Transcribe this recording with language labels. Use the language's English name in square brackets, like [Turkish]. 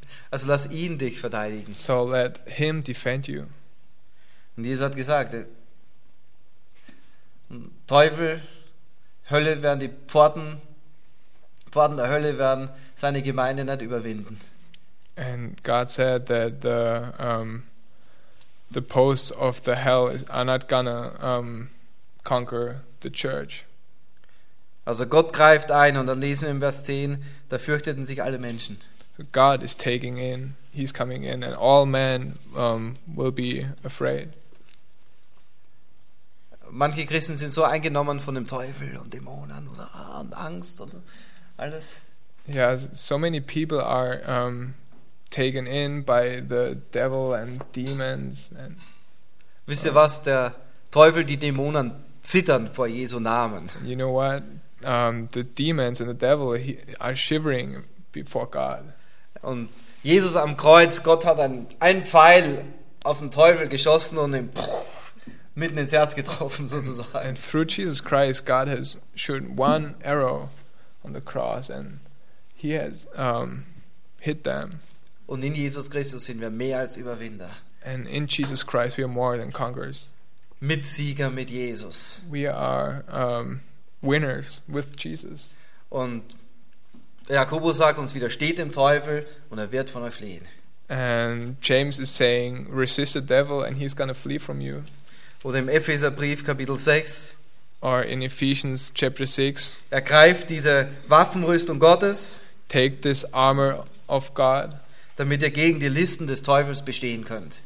[German] Also lass ihn dich verteidigen. [English] So let him defend you. [German] Und Jesus hat gesagt, Teufel, Hölle werden die Pforten der Hölle werden seine Gemeinde nicht überwinden. [English] And God said that the posts of the hell are not gonna conquer the church. [German] Also Gott greift ein und dann lesen wir im Vers 10, da fürchteten sich alle Menschen. [English] So God is taking in, he's coming in and all men will be afraid. [German] Manche Christen sind so eingenommen von dem Teufel und Dämonen oder und Angst und alles. [English] Yeah, so many people are taken in by the devil and demons and [German] wisst ihr was, der Teufel, die Dämonen zittern vor Jesu Namen. [English] You know what? The demons and the devil are shivering before God. [German] Und Jesus am Kreuz, Gott hat einen Pfeil auf den Teufel geschossen und ihn mitten ins Herz getroffen sozusagen. [English] And through Jesus Christ, God has shot one arrow on the cross and he has hit them. [German] Und in Jesus Christus sind wir mehr als Überwinder. [English] And in Jesus Christ we are more than conquerors. [German] Mit Sieger, mit Jesus. [English] We are winners with Jesus. [German] Und Jakobus sagt uns, widersteht dem Teufel und er wird von euch fliehen. [English] And James is saying, resist the devil and he's gonna flee from you. [German] Oder im Epheserbrief Kapitel 6. [English] Or in Ephesians chapter 6. [German] Ergreift diese Waffenrüstung Gottes. [English] Take this armor of God. [German] Damit ihr gegen die Listen des Teufels bestehen könnt.